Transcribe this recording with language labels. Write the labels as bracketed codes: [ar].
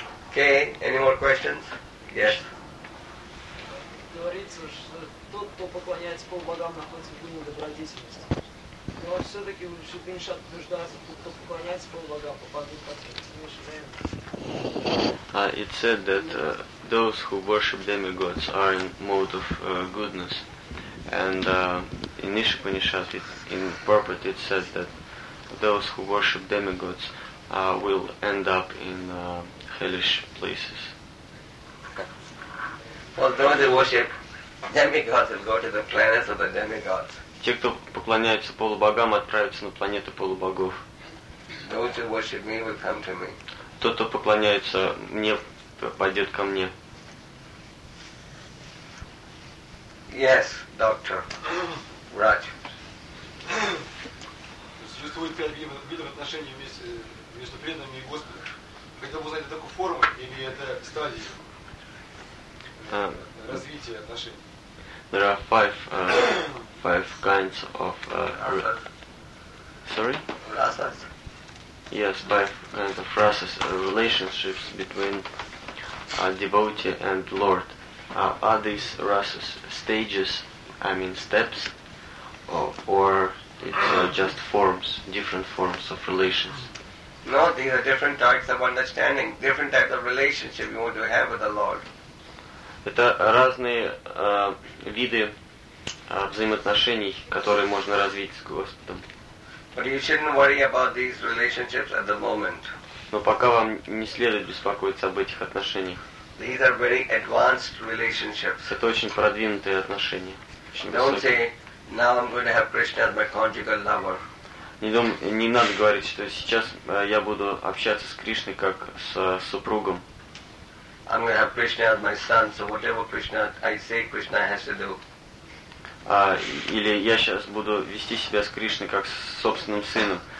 [en] Okay, any more questions? Yes. [ru] Говорится, что тот, кто поклоняется полубогам, находится в гуне добродетельности. Но все-таки Шупинишат утверждает, что тот, кто поклоняется полубогам, попадает под смешение. [en] It said that those who worship demigods are in mode of goodness. And in Ishupanishad, in purport, it says that those who worship demigods will end up in hellish places. Well, those who worship demigods will go to the planets of the demigods. [ru] Те, кто поклоняются полубогам, отправятся на планету полубогов. [en] Those who worship me will come to me. [ru] Тот, кто поклоняется мне, пойдет ко мне. [en] Yes, doctor. Врач. [ru] Существует пять видов отношений между преданными и Господом. Хотел бы узнать, это такую форму или это стадия развития отношений? [en] There are five kinds of Sorry? Rasas. Yes, five kinds of rasas, relationships between a devotee and Lord. Are these rasas stages, steps, or it's just forms, different forms of relations? No, these are different types of understanding, different types of relationship you want to have with the Lord. [ru] Это разные виды взаимоотношений, которые можно развить с Господом. [en] But you shouldn't worry about these relationships at the moment. [ru] Но пока вам не следует беспокоиться об этих отношениях. [en] These are very advanced relationships. [ru] Это очень продвинутые отношения. [en] Don't say, now I'm going to have Krishna as my conjugal lover. [ru] Не надо говорить, что сейчас я буду общаться с Кришной как с супругом. [en] I'm going to have Krishna as my son, so whatever Krishna I say, Krishna has to do. [ru] Или я сейчас буду вести себя с Кришной как с собственным сыном.